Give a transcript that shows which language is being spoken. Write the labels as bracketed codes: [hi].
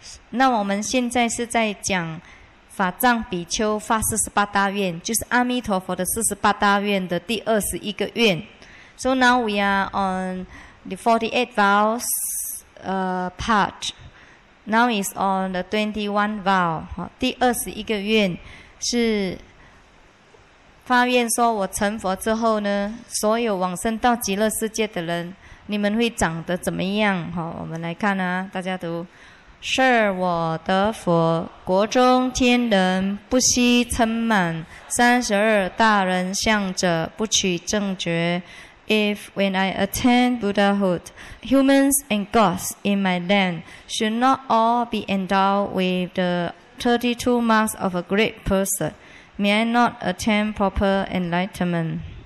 [zh] 那我们现在是在讲法藏比丘发四十八大愿，就是阿弥陀佛的四十八大愿的第二十一个愿。 [en] So now we are on the 48 vows part. Now is on the 21 vow. [zh] 第二十一个愿是发愿说，我成佛之后呢，所有往生到极乐世界的人，你们会长得怎么样？我们来看啊，大家都是我得佛，国中天人不惜称满三十二大人相者，不取正觉。 [en] If when I attain Buddhahood, humans and gods in my land should not all be endowed with the 32 marks of a great person, may I not attain proper enlightenment?